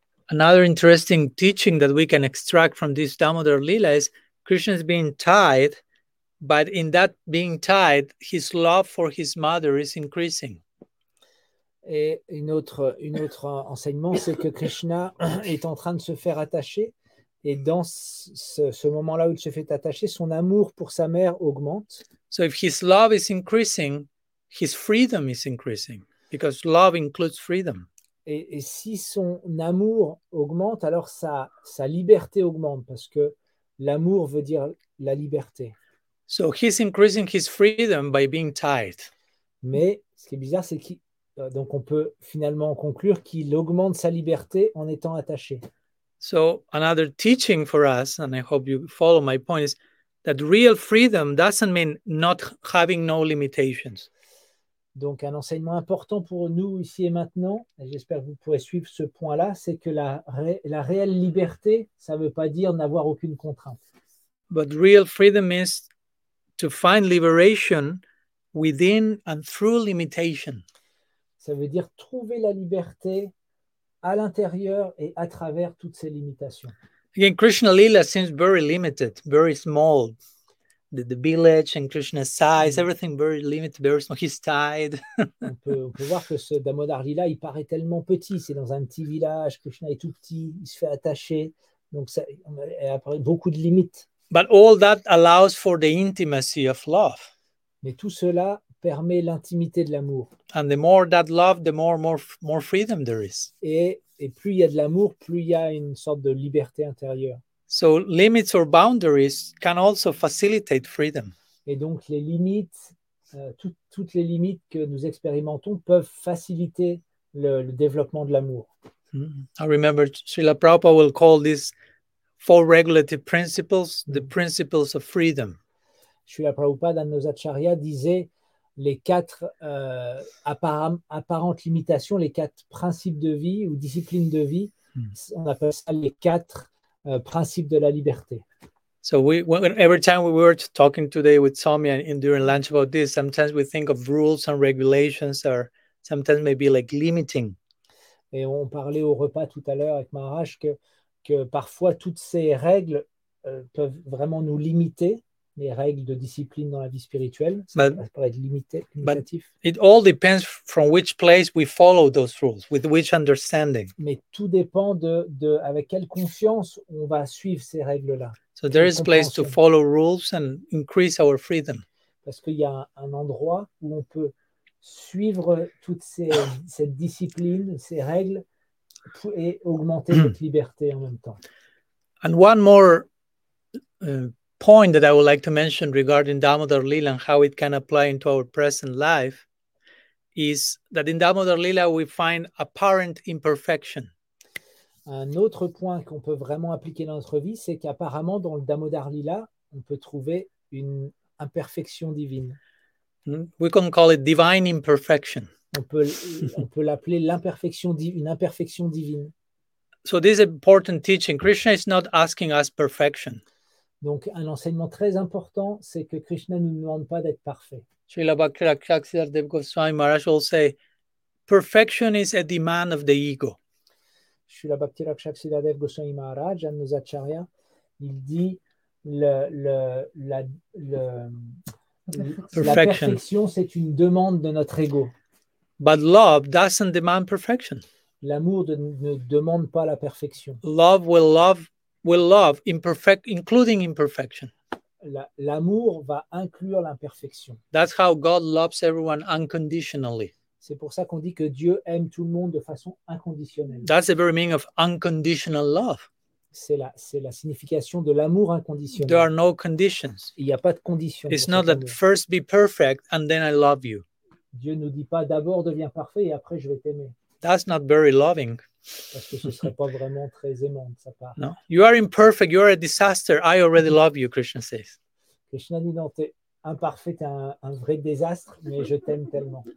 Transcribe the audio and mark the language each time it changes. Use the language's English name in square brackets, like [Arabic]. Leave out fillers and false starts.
[English] Another interesting teaching that we can extract from this Damodar Lila is Krishna is being tied. But in that being tied, his love for his mother is increasing. [French] Et une autre enseignement, c'est que Krishna est en train de se faire attacher. Et dans ce moment-là où il se fait attacher, son amour pour sa mère augmente. [English] So if his love is increasing, his freedom is increasing. Because love includes freedom. [French] Et si son amour augmente, alors sa liberté augmente. Parce que l'amour veut dire la liberté. [English] So he's increasing his freedom by being tied. [French] Mais ce qui est bizarre, c'est qu'il donc on peut finalement conclure qu'il augmente sa liberté en étant attaché. [English] So another teaching for us, and I hope you follow my point, is that real freedom doesn't mean not having no limitations. [French] Donc un enseignement important pour nous ici et maintenant, et j'espère que vous pourrez suivre ce point-là, c'est que la réelle liberté, ça ne veut pas dire n'avoir aucune contrainte. [English] But real freedom means to find liberation within and through limitation. [French] Ça veut dire trouver la liberté à l'intérieur et à travers toutes ces limitations. [English] Again, Krishna Lila seems very limited, very small. The village and Krishna's size, everything very limited, very small. He's tied. [French] on peut voir que ce Damodar Lila, il paraît tellement petit. C'est dans un petit village, Krishna est tout petit, il se fait attacher. Donc, il a beaucoup de limites. [English] But all that allows for the intimacy of love. [French] Mais tout cela permet l'intimité de l'amour. [English] And the more that love, the more freedom there is. [French] Et plus il y a de l'amour, plus il y a une sorte de liberté intérieure. [English] So limits or boundaries can also facilitate freedom. [French] Et donc les limites, toutes les limites que nous expérimentons peuvent faciliter le développement de l'amour. [English] I remember Srila Prabhupada will call this four regulative principles, the principles of freedom. [French] Srila Prabhupada, dans nos acharyas, disait les quatre apparentes limitations, les quatre principes de vie ou disciplines de vie. On appelle ça les quatre principes de la liberté. [English] So every time we were talking today with Swami and during lunch about this, sometimes we think of rules and regulations or sometimes maybe like limiting. [French] Et on parlait au repas tout à l'heure avec Maharaj que parfois toutes ces règles peuvent vraiment nous limiter, les règles de discipline dans la vie spirituelle, ça peut être limitatif. [English] It all depends from which place we follow those rules, with which understanding. [French] Mais tout dépend de avec quelle conscience on va suivre ces règles-là. [English] So there is place to follow rules and increase our freedom. [French] Parce qu'il y a un endroit où on peut suivre toutes cette discipline, ces règles, et augmenter notre liberté en même temps. [English] And one more point that I would like to mention regarding Damodar Lila and how it can apply into our present life is that in Damodar Lila we find apparent imperfection. [French] Un autre point qu'on peut vraiment appliquer dans notre vie, c'est qu'apparemment dans le Damodar Lila, on peut trouver une imperfection divine. [English] We can call it divine imperfection. [French] On peut l'appeler l'imperfection, une imperfection divine. [English] So this important teaching, Krishna is not asking us perfection. [French] Donc un enseignement très important, c'est que Krishna ne nous demande pas d'être parfait. [English] Srila Bhaktisiddhanta Dev Goswami Maharaj will say, perfection is a demand of the ego. [French] Srila Bhaktisiddhanta Dev Goswami Maharaj, Annus Acharya, il dit la perfection, c'est une demande de notre ego. [English] But love doesn't demand perfection. [French] L'amour ne demande pas la perfection. [English] Love will love imperfect, including imperfection. [French] L'amour va inclure l'imperfection. [English] That's how God loves everyone unconditionally. [French] C'est pour ça qu'on dit que Dieu aime tout le monde de façon inconditionnelle. [English] That's the very meaning of unconditional love. [French] C'est la signification de l'amour inconditionnel. [English] There are no conditions. [French] Il n'y a pas de conditions. [English] It's not that first be perfect and then I love you. [French] Dieu ne nous dit pas d'abord deviens parfait et après je vais t'aimer. [English] That's not very loving. [French] Parce que ce serait pas vraiment très aimant de sa part. [English] No, you are imperfect. You are a disaster. I already love you, Krishna says. [French] Krishna dit non, t'es imparfait, t'es un vrai désastre, mais je t'aime tellement.